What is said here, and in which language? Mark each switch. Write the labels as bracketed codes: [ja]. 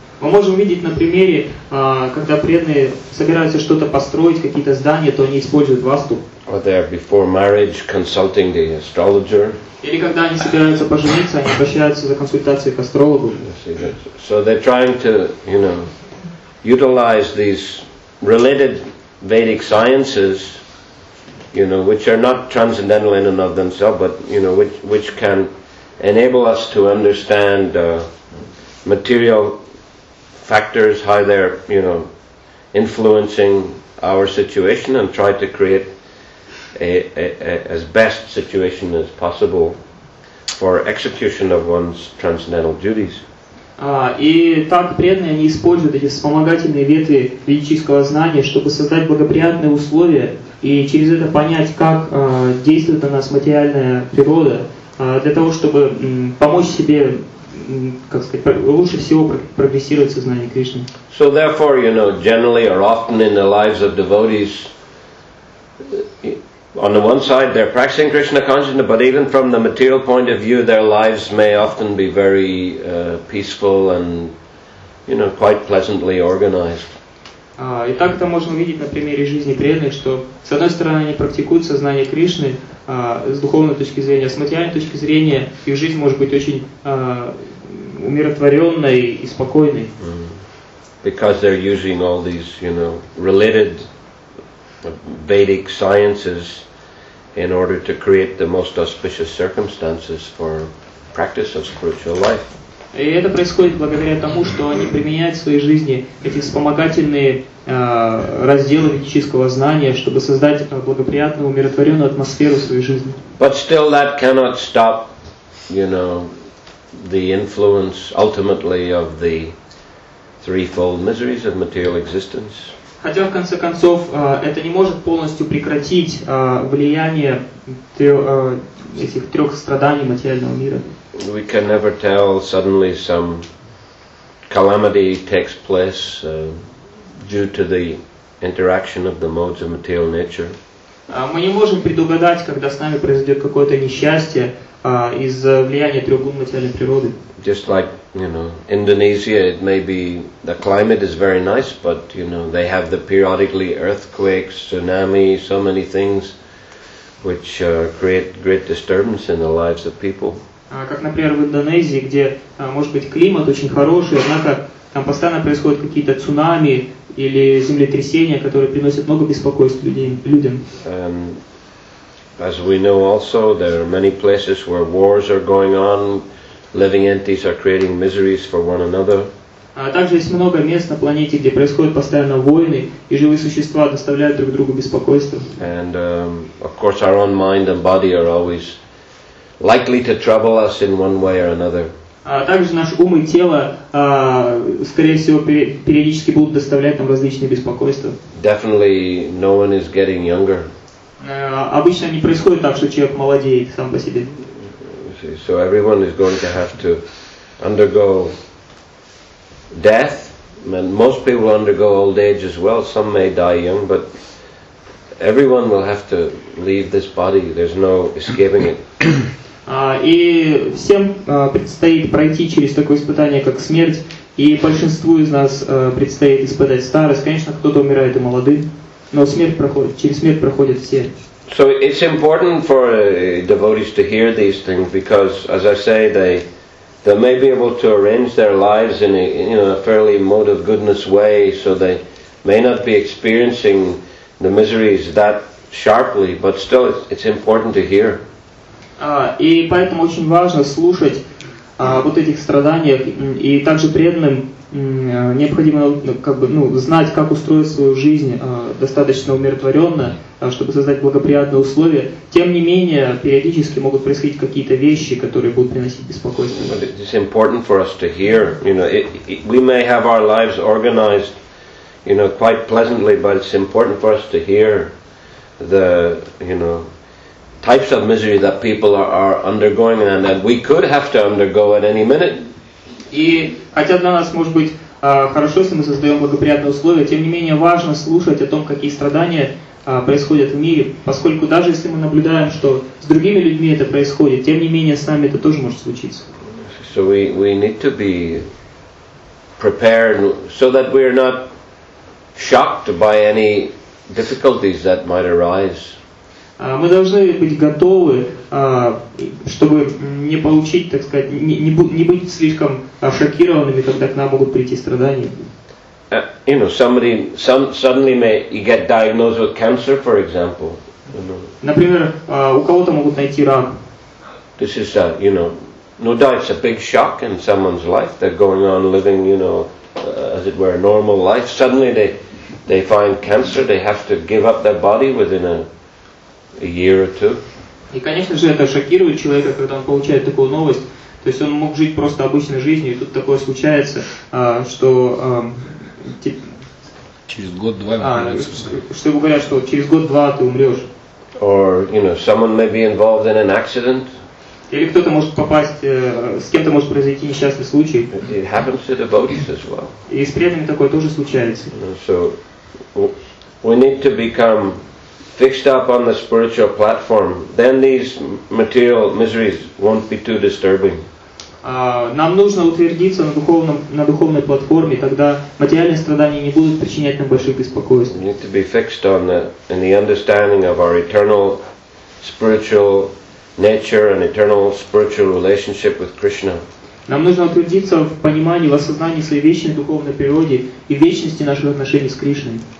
[ru] Мы можем видеть на примере, когда преданные собираются что-то построить, какие-то здания, то они используют Васту. [en] Or they're before marriage consulting the astrologer. [ru] Или когда они собираются пожениться, они обращаются за консультацией к астрологу. [en] So they're trying to, you know, utilize these related Vedic sciences, you know, which are not transcendental in and of themselves, but, you know, which can enable us to understand material factors, how they're, you know, influencing our situation, and try to create as best situation as possible for execution of one's transcendental duties. [ru] И так преданные они используют эти вспомогательные ветви ведического знания, чтобы создать благоприятные условия и через это понять, как действует на нас материальная природа, для того, чтобы помочь себе, как сказать, лучше всего прогрессировать в сознании Кришны. [en] So therefore, you know, generally or often in the lives of devotees, on the one side they're practicing Krishna consciousness, but even from the material point of view, their lives may often be very peaceful and, you know, quite pleasantly organized. [ru] И так это можно увидеть на примере жизни преданных, что с одной стороны они практикуют сознание Кришны с духовной точки зрения, с материальной точки зрения их жизнь может быть очень умиротворенной и спокойной. [en] Because they're using all these, you know, related Vedic sciences in order to create the most auspicious circumstances for practice of spiritual life. [ru] И это происходит благодаря тому, что они применяют в своей жизни эти вспомогательные разделы ведического знания, чтобы создать благоприятную, умиротворенную атмосферу в своей жизни. [en] But still that cannot stop, you know, the influence ultimately of the threefold miseries of material existence. [ru] Хотя, в конце концов, это не может полностью прекратить влияние этих трех страданий материального мира. [en] We can never tell, suddenly some calamity takes place due to the interaction of the modes of material nature. [ru] Мы не можем предугадать, когда с нами произойдет какое-то несчастье из-за влияния трех гун материальной природы. [en] Just like, you know, Indonesia, it may be the climate is very nice, but, you know, they have the periodically earthquakes, tsunami, so many things which create great disturbance in the lives of people. [ru] Как, например, в Индонезии, где, может быть, климат очень хороший, однако там постоянно происходят какие-то цунами или землетрясения, которые приносят много беспокойств людям. [en] As we know also, there are many places where wars are going on, living entities are creating miseries for one another. [ru] Также есть много мест на планете, где происходят постоянно войны, и живые существа доставляют друг другу беспокойство. [en] And of course our own mind and body are always likely to trouble us in one way or another. [ru] Также наш ум и тело, скорее всего, периодически будут доставлять нам различные беспокойства. [en] Definitely no one is getting younger. [ru] Обычно не происходит так, что человек молодеет сам по себе. [en] So everyone is going to have to undergo death, and most people undergo old age as well. Some may die young, but everyone will have to leave this body. There's no escaping it. [ru] И всем предстоит пройти через такое испытание, как смерть, и большинству из нас предстоит испытать старость. Конечно, кто-то умирает и молодым, но смерть проходит, через смерть проходят все. [en] So it's important for devotees to hear these things because, as I say, they may be able to arrange their lives in a, you know, a fairly mode of goodness way, so they may not be experiencing the miseries that sharply, but still it's important to hear. [ru] И поэтому очень важно слушать вот этих страданиях, и также преданным необходимо как бы, ну, знать, как устроить свою жизнь достаточно умиротворенно, чтобы создать благоприятные условия. Тем не менее, периодически могут происходить какие-то вещи, которые будут приносить беспокойство. [en] It's important for us to hear. You know, we may have our lives organized, you know, quite pleasantly, but it's important for us to hear the, you know, types of misery that people are undergoing and that we could have to undergo at any minute. [ru] И хотя для нас может быть хорошо, если мы создаем благоприятные условия, тем не менее важно слушать о том, какие страдания происходят в мире, поскольку даже если мы наблюдаем, что с другими людьми это происходит, тем не менее с нами это тоже может случиться. [en] So we need to be prepared so that we are not shocked by any difficulties that might arise. [ru] Мы должны быть готовы, чтобы не получить, так сказать, не быть слишком шокированными, когда к нам могут прийти страдания. [en] You know, somebody suddenly may get diagnosed with cancer, for example. You know. [ru] Например, у кого-то могут найти рак. [en] This is, you know, no doubt it's a big shock in someone's life. They're going on living, you know, as it were, a normal life. Suddenly they find cancer. They have to give up their body within a year or two. [ru] И, конечно же, это шокирует человека, когда он получает такую новость. То есть он мог жить просто обычной жизнью, и тут такое случается, что через год-два умрёшь. Что говорят, что через год-два ты умрёшь. [en] Or, you know, someone may be involved in an accident. [ru] Или кто-то может попасть, с кем-то может произойти несчастный случай. [en] It happens to devotees as well. [ru] И с преданными такое тоже случается. [en] So we need to become fixed up on the spiritual platform, then these material miseries won't be too disturbing. [ru] Нам нужно утвердиться на духовной платформе, тогда материальные страдания не будут причинять нам больших беспокойств. [en] We need to be fixed on the understanding of our eternal spiritual nature and eternal spiritual relationship with Krishna. [ru] Нам нужно утвердиться в понимании, в осознании своей вечной духовной природы и вечности наших отношений с Кришной.